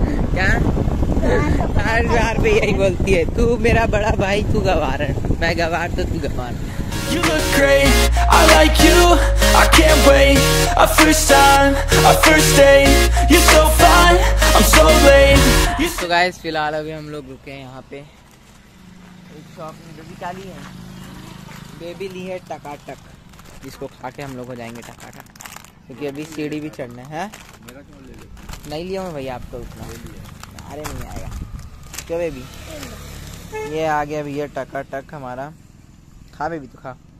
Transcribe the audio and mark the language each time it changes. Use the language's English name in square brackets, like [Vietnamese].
[Hindi] क्या हर बार पे यही बोलती है, तू मेरा बड़ा भाई तू गवार है, मैं गवार तो तू गवार। [English] You look great, I like you, I can't wait, our first time, our first date, you're so fine, I'm so late. So guys, [Hindi] फिलहाल अभी हम लोग रुके हैं यहाँ पे एक शॉप में। बेबी क्या ली है? बेबी ली है टकाटक, जिसको खा के हम लोग हो जाएंगे टकाटक क्योंकि अभी सीढ़ी भी चढ़ना है। मेरा चोल ले ले। नहीं लिया मैं भैया आपको उतना, अरे नहीं आएगा क्यों बेबी? ये आ गया भैया टकाटक हमारा, खा बेबी तू खा।